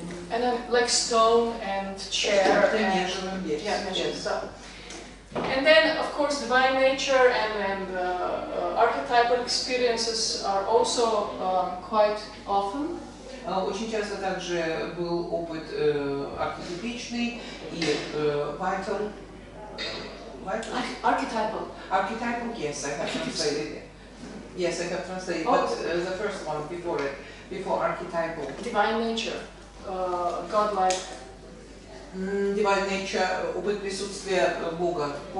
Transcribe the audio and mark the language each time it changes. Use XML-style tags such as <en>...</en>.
<en>And then like stone and chair.</en> <ru>Чем-то нежным,</ru> <en>yes. And then, of course, divine nature and archetypal experiences are also quite often.</en> <ru>Очень часто также был опыт архетипичный и vital.</ru> <en>Archetypal. Archetypal, yes, I have translated it. Yes, I have translated it, but the first one before it, before archetypal. Divine nature, godlike. Divine nature,</en> <ru>опыт присутствия Бога.</ru>